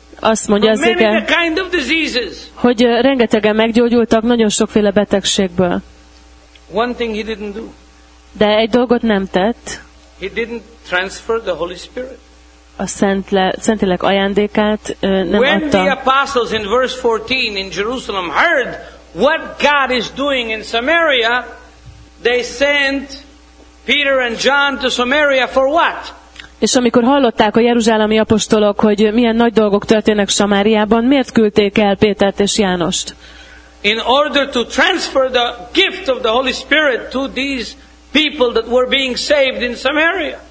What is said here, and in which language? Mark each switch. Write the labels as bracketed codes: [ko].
[hu] Azt mondja az ige, hogy rengetegen meggyógyultak nagyon sokféle betegségből. [en] One thing he didn't do. [hu] De egy dolgot nem tett. [en] He didn't transfer the Holy Spirit. [hu] A Szentlélek ajándékát nem adta. [en] The apostles in verse 14 in Jerusalem heard what God is doing in Samaria, they sent Peter and John to Samaria for what? [hu] És amikor hallották a jeruzsálemi apostolok, hogy milyen nagy dolgok történnek Samáriában, miért küldték el Pétert és Jánost? [en] In order to transfer the gift of the Holy Spirit to these people that were being saved in Samaria.